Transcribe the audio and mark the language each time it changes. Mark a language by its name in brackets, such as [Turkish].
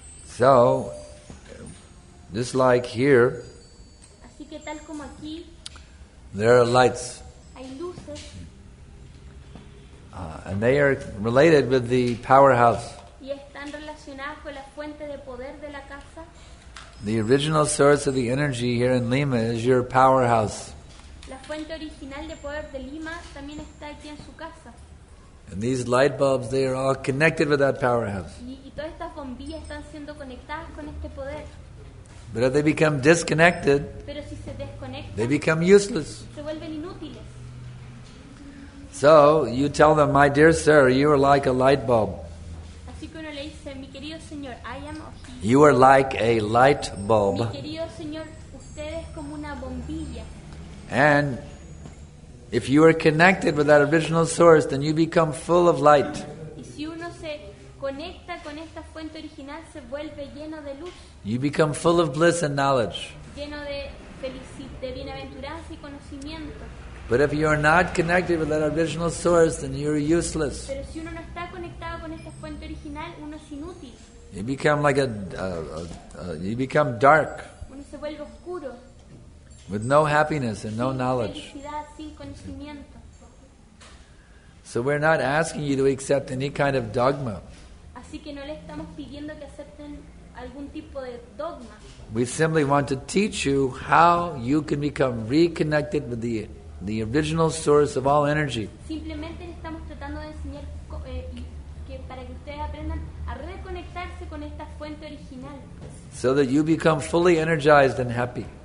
[English] So, just like here, [Spanish] así que tal como aquí, [English] there are lights. [Spanish] Hay luces. [English] And they are related with the powerhouse. [Spanish] Y están relacionadas con la fuente de poder de la casa. [English] The original source of the energy here in Lima is your powerhouse. [Spanish] La fuente original de poder de Lima también está aquí en su casa. [English] And these light bulbs, they are all connected with that powerhouse. [Spanish] Y todas estas bombillas están siendo conectadas con este poder. [English] But if they become disconnected, [Spanish] pero si se desconectan, [English] they become useless. [Spanish] Se vuelven inútiles. [English] So you tell them, my dear sir, you are like a light bulb. [Spanish] Así que uno le dice, mi querido señor, [English] I am. You are like a light bulb. [Spanish] Mi querido señor, usted es como una bombilla. [English] And if you are connected with that original source, then you become full of light. [Spanish] Y si uno se conecta con esta fuente original, se vuelve lleno de luz. [English] You become full of bliss and knowledge. [Spanish] Lleno de felicidad, de bienaventuranza y conocimiento. [English] But if you are not connected with that original source, then you are useless. [Spanish] Pero si uno no está conectado con esta fuente original, uno es inútil. [English] You become like you become dark. [Spanish] Uno se vuelve oscuro. [English] With no happiness and no [Spanish] sin [English] knowledge. [Spanish] Felicidad, sin conocimiento. [English] So we're not asking you to accept any kind of dogma. [Spanish] Así que no le estamos pidiendo que acepten algún tipo de dogma. [English] We simply want to teach you how you can become reconnected with the original source of all energy. [Spanish] Simplemente estamos tratando de enseñar que para que ustedes aprendan a reconectarse con esta fuente original. [English] So that you become fully energized and happy.